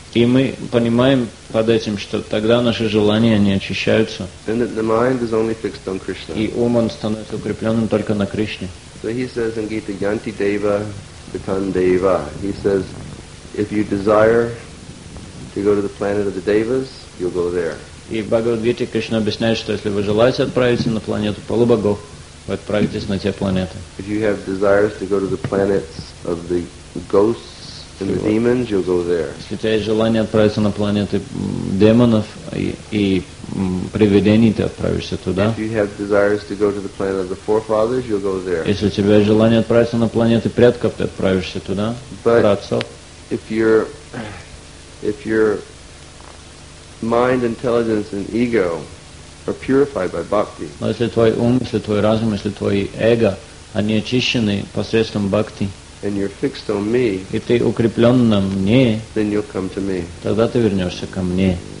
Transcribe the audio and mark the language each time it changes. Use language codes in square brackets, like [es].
[ru] И мы понимаем под этим, что тогда наши желания они очищаются. [en] And that the mind is only fixed on Krishna. [ru] И ум он становится укрепленным только на Кришне. [en] So he says in Gita, Yanti Deva Bhutan Deva. He says, if you desire to go to the planet of the Devas, you'll go there. [ru] И в Бхагавад-гите Кришна объясняет, что если вы желаете отправиться на планету полубогов, вы отправитесь на те планеты. [en] If you have desires to go to the planets of the ghosts, and the demons, you'll go there. [ru] Если у тебя есть желание отправиться на планеты демонов и привидений, ты отправишься туда. [en] If you have desires to go to the planet of the forefathers, you'll go there. [ru] Если у тебя есть желание отправиться на планеты предков, ты отправишься туда. [en] But Братцов. If your mind, intelligence, and ego are purified by bhakti. [ru] Но если твой ум, если твой разум, если твой эго, они очищены посредством бхакти. [en] And you're fixed on me. [ru] И ты укреплен на мне. [en] Then you'll come to me. [ru] Тогда ты вернешься ко мне.